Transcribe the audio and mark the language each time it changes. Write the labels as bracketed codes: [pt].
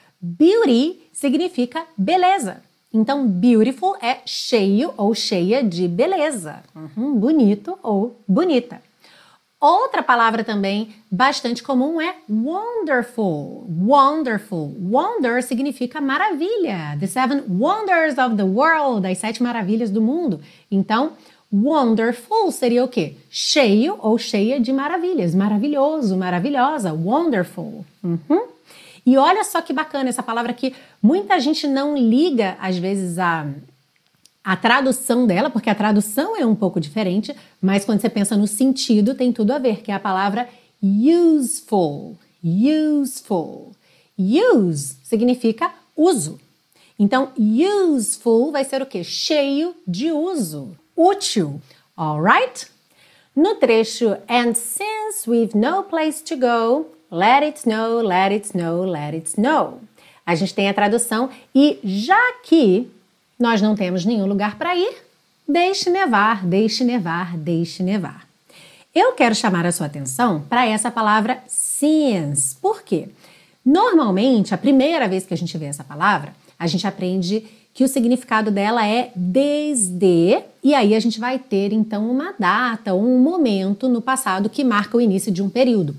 [pt] Beauty significa beleza. Então, beautiful é cheio ou cheia de beleza. Uhum, bonito ou bonita. Outra palavra também bastante comum é wonderful. Wonderful. Wonder significa maravilha. [en] The seven wonders of the world. [pt] As sete maravilhas do mundo. Então, wonderful seria o quê? Cheio ou cheia de maravilhas. Maravilhoso, maravilhosa. Wonderful. Uhum. E olha só que bacana essa palavra que muita gente não liga, às vezes, a tradução dela, porque a tradução é um pouco diferente, mas quando você pensa no sentido, tem tudo a ver, que é a palavra useful. Useful. Use significa uso. Então, useful vai ser o quê? Cheio de uso. Útil. All right? No trecho, [en] and since we've no place to go, let it snow, let it snow, let it snow. [pt] A gente tem a tradução, e já que nós não temos nenhum lugar para ir, deixe nevar, deixe nevar, deixe nevar. Eu quero chamar a sua atenção para essa palavra since. Por quê? Normalmente, a primeira vez que a gente vê essa palavra, a gente aprende que o significado dela é desde, e aí a gente vai ter, então, uma data, um momento no passado que marca o início de um período.